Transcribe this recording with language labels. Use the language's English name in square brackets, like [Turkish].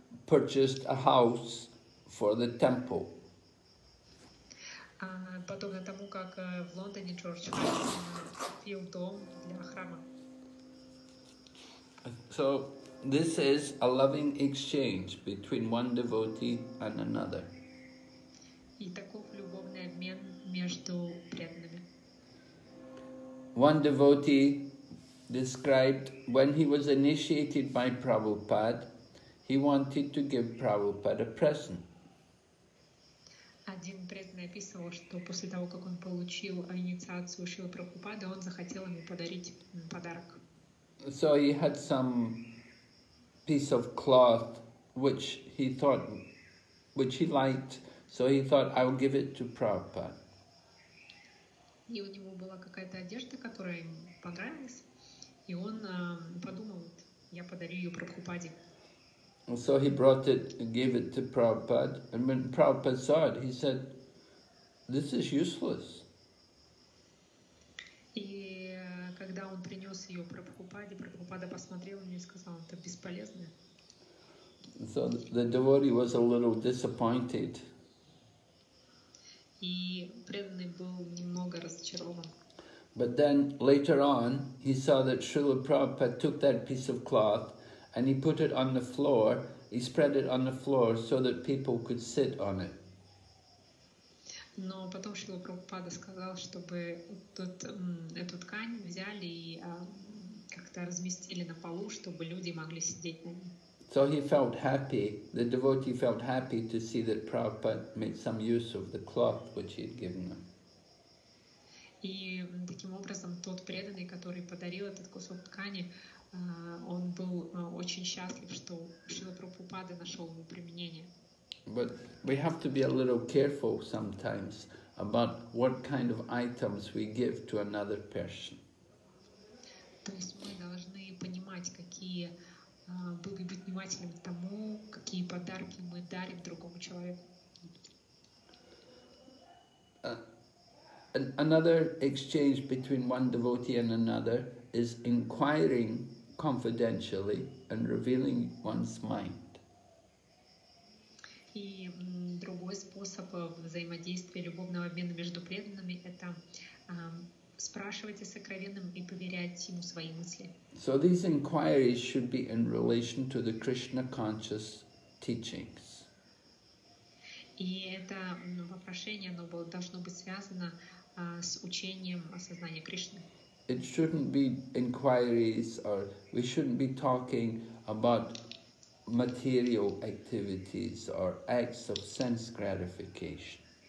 [English] purchased a house for the temple. [Russian] Подобно тому, как в Лондоне Джордж купил дом для храма. [English] So this is a loving exchange between one devotee and another. [Russian] И таков любовный обмен между преданными. [English] One devotee described when he was initiated by Prabhupada, he wanted to give Prabhupada a present. [Russian] Один преданный описывал, что после того, как он получил инициацию Шрилы Прабхупады, он захотел ему подарить подарок. [English] So he had some piece of cloth which he liked, so he thought, I'll give it to Prabhupada. [Russian] И у него была какая-то одежда, которая ему понравилась. И он подумал, я подарю ее Прабхупаде. [English] So he brought it and gave it to Prabhupada. And when Prabhupada saw it, he said, this is useless. [Russian] И когда он принес ее Прабхупаде, Прабхупада посмотрел на нее и сказал, это бесполезно. [English] So the devotee was a little disappointed. [Russian] И преданный был немного разочарован. [English] But then, later on, he saw that Srila Prabhupada took that piece of cloth and he put it on the floor, he spread it on the floor so that people could sit on it. [Russian] Но потом Шрила Прабхупада сказал, чтобы эту ткань взяли и как-то разместили на полу, чтобы люди могли сидеть на ней. [English] So he felt happy, the devotee felt happy to see that Prabhupada made some use of the cloth which he had given them. [Russian] И таким образом тот преданный, который подарил этот кусок ткани, он был очень счастлив, что Шрила Прабхупада нашел ему применение. [English] But we have to be a little careful sometimes about what kind of items we give to another person. [Russian] То есть мы должны понимать, какие быть внимательным к тому, какие подарки мы дарим другому человеку. [English] Another exchange between one devotee and another is inquiring confidentially and revealing one's mind. [Russian] И другой способ взаимодействия любовного обмена между преданными – это спрашивать о сокровенном и поверять ему свои мысли. [English] So these inquiries should be in relation to the Krishna conscious teachings. [Russian] И это вопрошение, оно должно быть связано с учением осознания Кришны. [English] It shouldn't be inquiries, or we shouldn't be talking about material activities or acts of sense gratification.